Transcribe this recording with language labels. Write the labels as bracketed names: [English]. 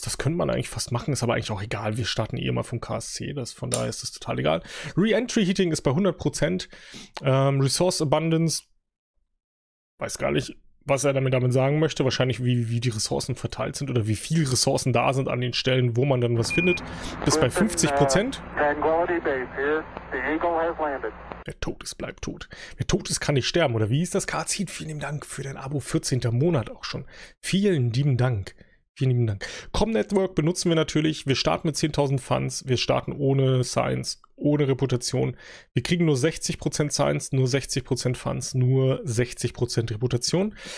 [German] Das könnte man eigentlich fast machen. Ist aber eigentlich auch egal. Wir starten eh mal vom KSC. Von daher ist das total egal. Re-Entry Heating ist bei 100%. Resource Abundance. Weiß gar nicht, was er damit sagen möchte. Wahrscheinlich, wie die Ressourcen verteilt sind oder wie viel Ressourcen da sind an den Stellen, wo man dann was findet. Bis bei 50%. [English] Tranquility Base here. The Eagle has landed. [German] Wer tot ist, bleibt tot. Wer tot ist, kann nicht sterben. Oder wie ist das? Karzit, vielen lieben Dank für dein Abo. 14. Monat auch schon. Vielen lieben Dank. Vielen lieben Dank. Com-Network benutzen wir natürlich. Wir starten mit 10.000 Funds. Wir starten ohne Science, ohne Reputation. Wir kriegen nur 60% Science, nur 60% Funds, nur 60% Reputation.